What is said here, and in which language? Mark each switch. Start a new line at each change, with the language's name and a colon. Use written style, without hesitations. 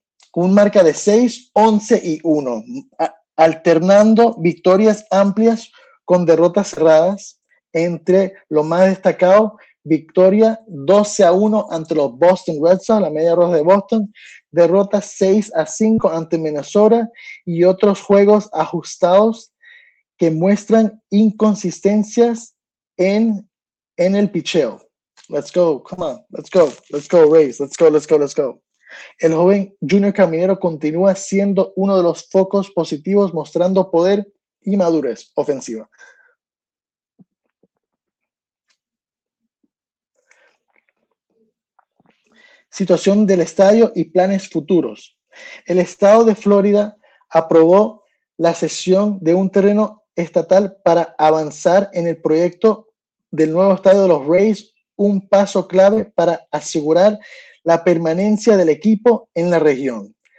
Spanish: Con marca de 6, 11 y 1, alternando victorias amplias con derrotas cerradas, entre lo más destacado, victoria 12-1 ante los Boston Red Sox, la media roja de Boston, derrota 6-5 ante Minnesota y otros juegos ajustados que muestran inconsistencias en el picheo.
English: Let's go, come on, let's go, Rays, let's go, let's go, let's go.
Spanish: El joven Junior Caminero continúa siendo uno de los focos positivos, mostrando poder y madurez ofensiva. Situación del estadio y planes futuros. El estado de Florida aprobó la cesión de un terreno estatal para avanzar en el proyecto del nuevo estadio de los Rays, un paso clave para asegurar la permanencia del equipo en la región.